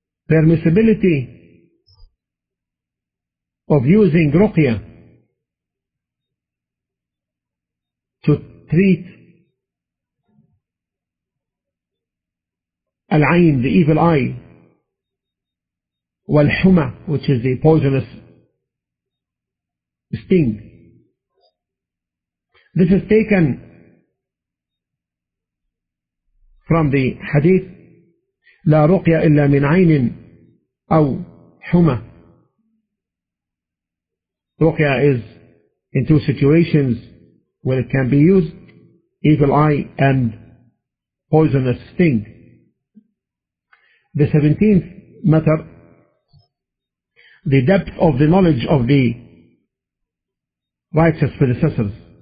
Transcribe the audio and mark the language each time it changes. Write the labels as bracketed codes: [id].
[en] Permissibility of using ruqya to treat العين, the evil eye, والحمى, which is the poisonous sting. This is taken from the hadith, [ar] لا رقيا إلا من عين أو حمى. [en] رقيا is in two situations where it can be used, evil eye and poisonous sting. The 17th matter, the depth of the knowledge of the righteous predecessors.